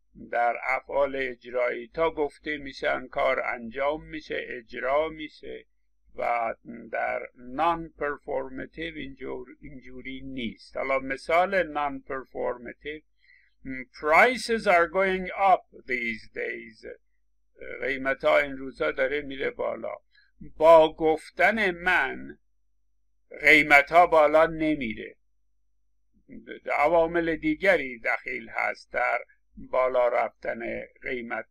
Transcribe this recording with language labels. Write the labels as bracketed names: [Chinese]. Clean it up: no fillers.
[Persian] در افعال اجرایی تا گفته میشن کار انجام میشه، اجرا میشه، و در نان پرفورمتیو اینجوری نیست. حالا مثال نان پرفورمتیو: [English] prices are going up these days. [Persian] قیمت ها این روزا داره میره بالا. با گفتن من قیمت ها بالا نمیره. عوامل دیگری دخیل هست در بالا رفتن قیمت.